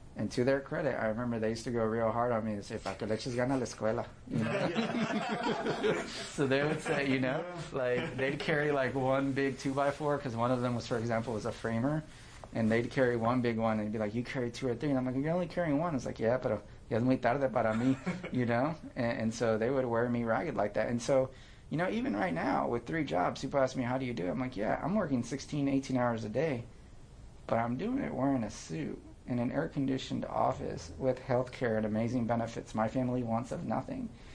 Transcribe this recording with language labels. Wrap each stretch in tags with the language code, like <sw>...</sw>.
<en>And to their credit, I remember they used to go real hard on me and say,</en> <es>pa' que leches gana la escuela.</es> <en>You know? So they would say, you know, like, they'd carry, like, one big 2x4, because one of them was, for example, was a framer, and they'd carry one big one, and be like, you carry two or three, and I'm like, you're only carrying one. It's like, yeah,</en> <es>pero ya es muy tarde para mí,</es> <en>you know? And so they would wear me ragged like that. And so, you know, even right now, with three jobs, people ask me, how do you do it? I'm like, yeah, I'm working 16, 18 hours a day, but I'm doing it wearing a suit. In an air-conditioned office with healthcare and amazing benefits, my family wants of nothing.</en>